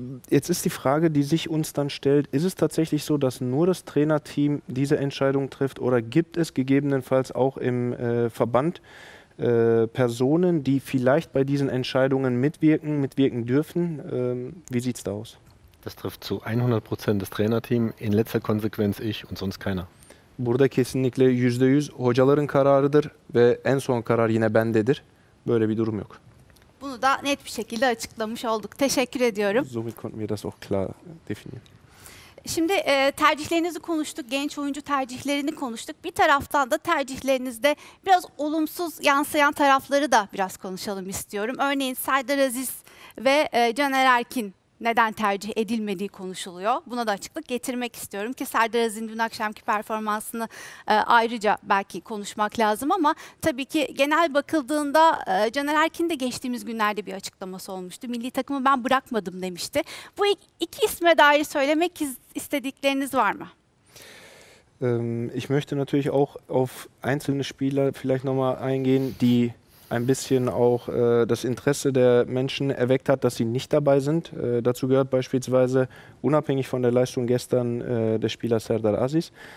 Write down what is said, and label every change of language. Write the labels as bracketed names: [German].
[German] Jetzt ist die Frage, die sich uns dann stellt, ist es tatsächlich so, dass nur das Trainerteam diese Entscheidung trifft oder gibt es gegebenenfalls auch im Verband Personen, die vielleicht bei diesen Entscheidungen mitwirken dürfen? Wie sieht's da aus? Das trifft zu 100% das Trainerteam, in letzter Konsequenz ich und sonst keiner. [Turkish] Burada kesinlikle %100 hocaların kararıdır ve en son karar yine bendedir. Böyle bir durum yok. Bunu da net bir şekilde açıklamış olduk. Teşekkür ediyorum. [German] Somit konnten wir das auch klar definieren. [Turkish] Şimdi tercihlerinizi konuştuk, genç oyuncu tercihlerini konuştuk. Bir taraftan da tercihlerinizde biraz olumsuz yansıyan tarafları da biraz konuşalım istiyorum. Örneğin Serdar Aziz ve Caner Erkin neden tercih edilmediği konuşuluyor. Buna da açıklık getirmek istiyorum ki Serdar Aziz'in dün akşamki performansını ayrıca belki konuşmak lazım ama tabii ki genel bakıldığında Caner Erkin de geçtiğimiz günlerde bir açıklaması olmuştu. Milli takımı ben bırakmadım demişti. Bu iki isme dair söylemek istedikleriniz var mı? [German] Ich möchte natürlich auch auf einzelne Spieler vielleicht nochmal eingehen, die ein bisschen auch das Interesse der Menschen erweckt hat, dass sie nicht dabei sind. Dazu gehört beispielsweise, unabhängig von der Leistung gestern, der Spieler Serdar Aziz.